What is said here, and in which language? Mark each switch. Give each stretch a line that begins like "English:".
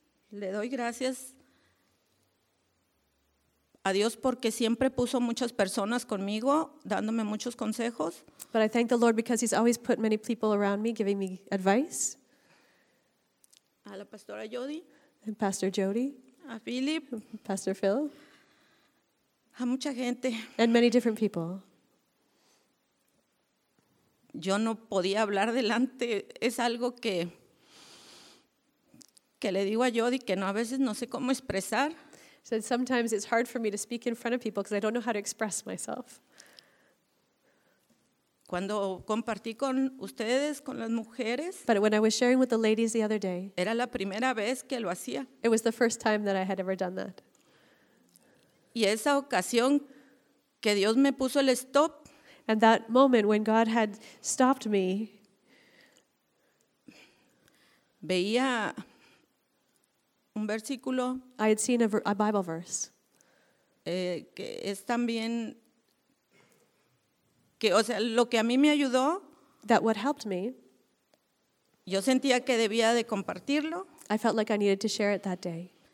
Spanish: Le doy gracias a Dios porque siempre puso muchas personas conmigo, dándome muchos consejos.
English: But I thank the Lord because he's always put many people around me, giving me advice.
Spanish: A la pastora Jody.
English: And Pastor Jody.
Spanish: A Philip.
English: Pastor Phil.
Spanish: A mucha gente.
English: And many different people.
Spanish: Yo no podía hablar delante. Es algo que le digo a Jody que no, a veces no sé cómo expresar.
English: So sometimes it's hard for me to speak in front of people because I don't know how to express myself.
Spanish: Cuando compartí con ustedes, con las mujeres.
English: But when I was sharing with the ladies the other day.
Spanish: Era la primera vez que lo hacía.
English: It was the first time that I had ever done that.
Spanish: Y esa ocasión que Dios me puso el stop,
English: And that moment when God had stopped me,
Spanish: veía un versículo.
English: I had seen a Bible verse.
Spanish: Que es también que, o sea, lo que a mí me ayudó.
English: That what helped me.
Spanish: Yo sentía que debía de compartirlo.
English: I felt like I needed to share it that day.